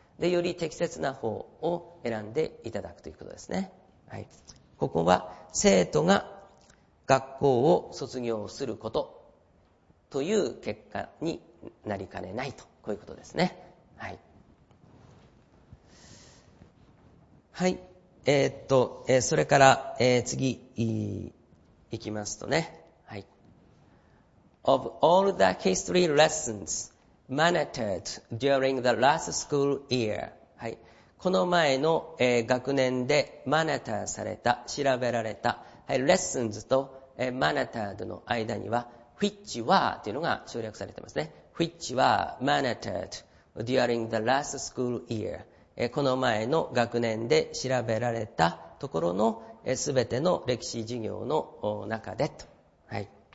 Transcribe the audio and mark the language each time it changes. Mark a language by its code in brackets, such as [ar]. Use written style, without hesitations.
[ja] でより適切な方を選んでいただくということですね、はい、ここは生徒が学校を卒業することという結果になりかねないと、こういうことですね、はい、はい、それから、次、いきますとね、はい、 [en] of all the history lessons mattered during the last school year. [ja] はい。この前の、学年でマネターされた、調べられた、はい、レッスンズと、マネターとの間には、 [en] which were [ja] というのが省略されていますね。 [en] which were mattered during the last school year、 [ja] この前の学年で調べられたところの、全ての歴史授業の中でと。はい。